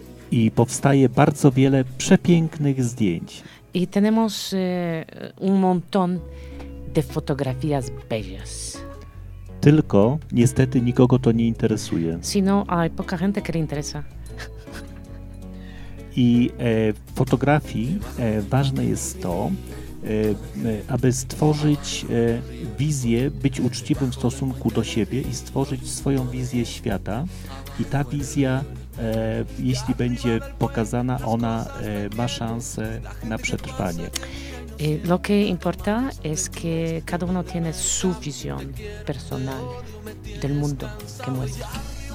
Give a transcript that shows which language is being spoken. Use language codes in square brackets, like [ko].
[pl] I powstaje bardzo wiele przepięknych zdjęć. [es] Y tenemos un montón de fotografías bellas. [pl] Tylko niestety nikogo to nie interesuje. [es] Sino hay poca gente que le interesa. [pl] I w fotografii ważne jest to, aby stworzyć wizję, być uczciwym w stosunku do siebie i stworzyć swoją wizję świata. I ta wizja, jeśli będzie pokazana, ona ma szansę na przetrwanie. [es] Lo que importa es que cada uno tiene su visión personal del mundo que muestra.